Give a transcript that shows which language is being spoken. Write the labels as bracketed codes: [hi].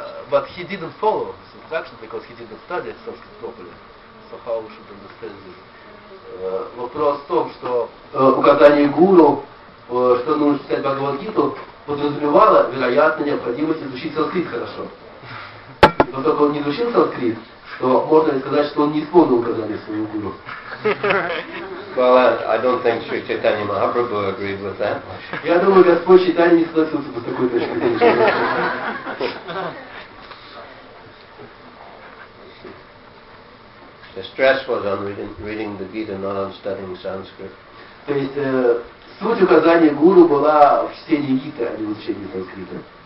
[en] But he didn't follow his instructions because he didn't study Sanskrit properly. So how we should understand this? [ru] Вопрос в том, что указание гуру, что нужно читать Бхагавад-гиту, подразумевало, вероятно, необходимость изучить санскрит хорошо. И поскольку он не изучил санскрит, то можно ли сказать, что он не исполнил указание своего гуру? [en] Well, I don't think Sri Chaitanya Mahaprabhu agreed with that. [ru] Я думаю, Господь Чайтанья не согласился бы с такой точкой зрения. [en] The stress was on reading the Gita, not on studying Sanskrit. [ru] То есть суть указания гуру была в чтении Гиты, а не в учении санскрита.